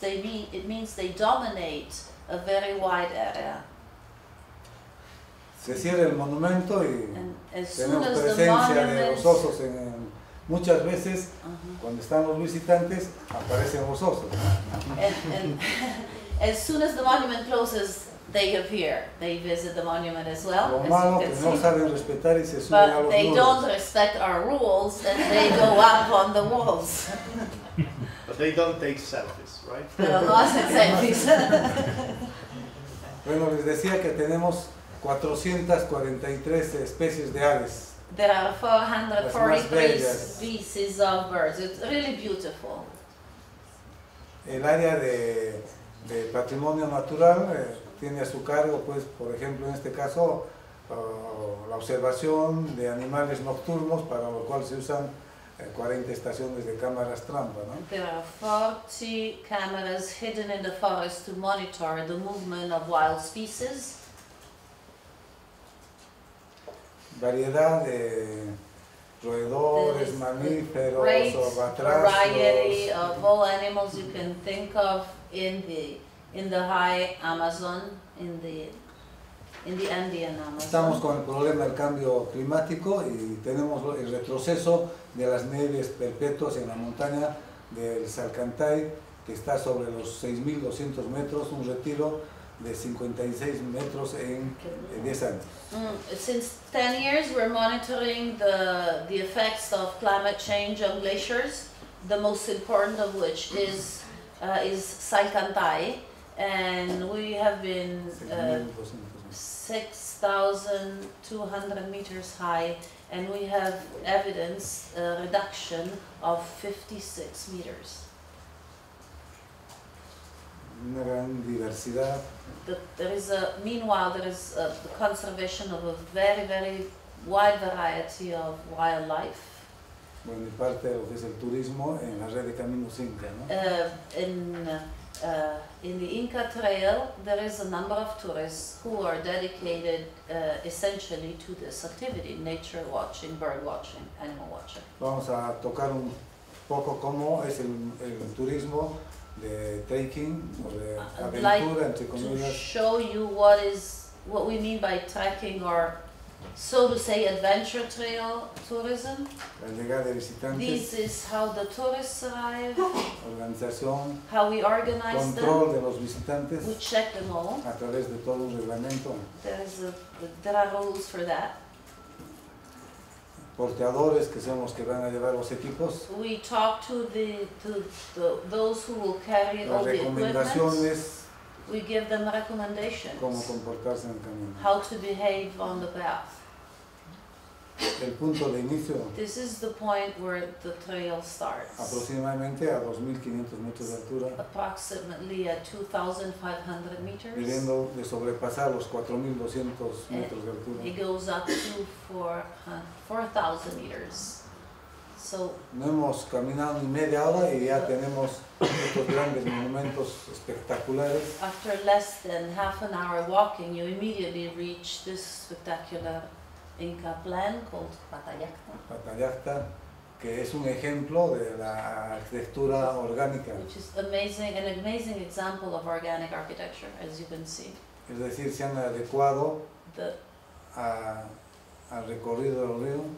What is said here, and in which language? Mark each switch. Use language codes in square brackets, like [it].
[en] It means they dominate a very wide area. [es] Se cierra el monumento y tenemos presencia de los osos en muchas veces cuando están los visitantes aparecen los osos. [en] As soon as the monument closes, they appear. They visit the monument as well. [es] Lo malo que no saben respetar y se suben a los muros. [en] But they don't respect our rules and they go up on the walls. But they don't take selfies, right? They don't take selfies. [es] Bueno, les decía que tenemos 443 especies de aves. [en] There are 443 species of birds. It's really beautiful. [es] El área de patrimonio natural tiene a su cargo, pues, por ejemplo, en este caso, la observación de animales nocturnos, para lo cual se usan 40 estaciones de cámaras trampa, ¿no? [en] There are 40 cameras hidden in the forest to monitor the movement of wild species. [es] Variedad de roedores, mamíferos, batracios. [en] Variety of all animals you can think of in the high Amazon, in the Andean Amazon. [es] Estamos con el problema del cambio climático y tenemos el retroceso de las nieves perpetuas en la montaña del Salcantay, que está sobre los 6,200 metros, un retiro de 56 metros en 10 años. [en] Since 10 years we're monitoring the effects of climate change on glaciers, the most important of which is Salcantay. And we have been 6,200 meters high, and we have evidence a reduction of 56 meters. [es] Una gran diversidad. [en] Meanwhile, there is the conservation of a very, very wide variety of wildlife. [es] Bueno, parte de lo que es el turismo en la red de caminos Inca, ¿no? [en] In the Inca Trail, there is a number of tourists who are dedicated essentially to this activity, nature watching, bird watching, animal watching. [es] Vamos a tocar un poco cómo es el turismo de trekking, o de aventura, entre comillas. [en] To show you what we mean by trekking or so to say, adventure trail tourism. This is how the tourists arrive. [es] Organización. [en] How we organize control them. [es] Control de los visitantes. [en] We check them all. [es] A través de todo un reglamento. [en] There are rules for that. [es] Porteadores, que son los que van a llevar los equipos. [en] We talk to those who will carry [es] las [en] all the [es] recomendaciones. [en] Equipment. We give them recommendations. [es] Cómo comportarse en el camino. [en] How to behave on the path. [es] El punto de inicio. [en] This is the point where the trail starts. [es] Aproximadamente a 2,500 metros de altura. [en] Approximately at 2,500 meters. [es] Viendo de sobrepasar los 4,200 metros de altura. [en] It goes up to 4,000 meters. So. [es] No hemos caminado ni media hora y ya tenemos estos grandes monumentos espectaculares. [en] After less than half an hour walking, you immediately reach this spectacular Inca plan called Patallacta. [es] Patallacta, que es un ejemplo de la arquitectura orgánica. [en] Which is amazing, an amazing example of organic architecture, as you can see. [es] Es decir, se han adecuado al recorrido del río.